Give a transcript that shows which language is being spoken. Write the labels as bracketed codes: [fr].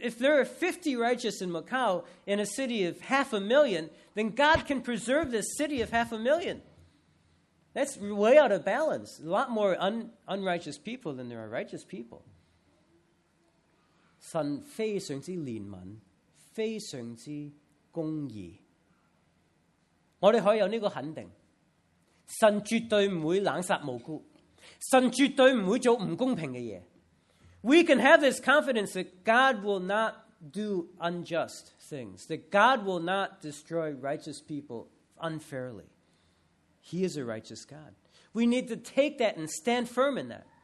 [en] If there are 50 righteous in Macau in a city of 500,000, then God can preserve this city of 500,000. That's way out of balance. A lot more unrighteous people than there are righteous people. [zh] 神非常之怜悯，非常之公义，我们可以有这个肯定，神绝对不会滥杀无辜，神绝对不会做不公平的事。 [en] We can have this confidence that God will not do unjust things, that God will not destroy righteous people unfairly. He is a righteous God. We need to take that and stand firm in that.